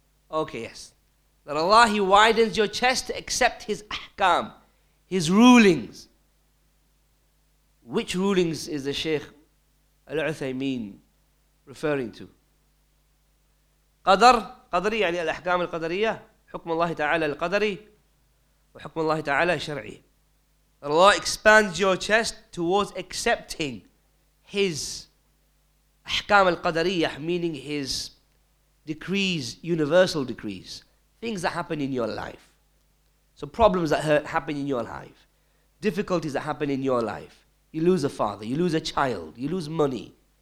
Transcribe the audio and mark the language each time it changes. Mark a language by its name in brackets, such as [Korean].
[English] Okay, yes. That Allah, He widens your chest to accept His ahkam, His rulings. Which rulings is the Shaykh Al-Uthaymeen referring to? Qadr, Qadri, [Arabic] يعني الأحكام القدرية, حكم الله تعالى القدري, وحكم الله تعالى شرعي. [English] Allah expands your chest towards accepting His [Arabic] أحكام القدرية, [English] meaning His decrees, universal decrees, things that happen in your life. So problems that happen in your life, difficulties that happen in your life, you lose a father, you lose a child, you lose money.